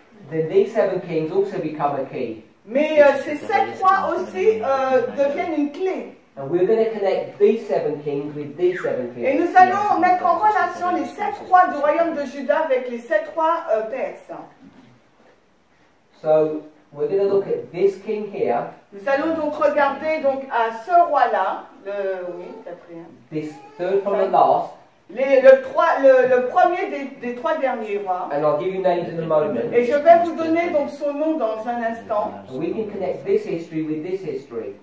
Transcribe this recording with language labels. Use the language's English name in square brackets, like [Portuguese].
[English] Then these seven kings also become a key. [French] Mais ces sept rois aussi deviennent une clé. [English] And we're going to connect these seven kings with these seven kings. [French] Et nous allons mettre en relation les sept rois du royaume de Juda avec les sept rois perses. [English] So we're going to look at this king here. [French] Nous allons donc regarder donc à ce roi là, le [English] this third from the last. [French] Le premier des trois derniers rois. [English] And I'll give you names in a moment. [French] Et je vais vous donner donc son nom dans un instant. [English] We can connect this history with this history.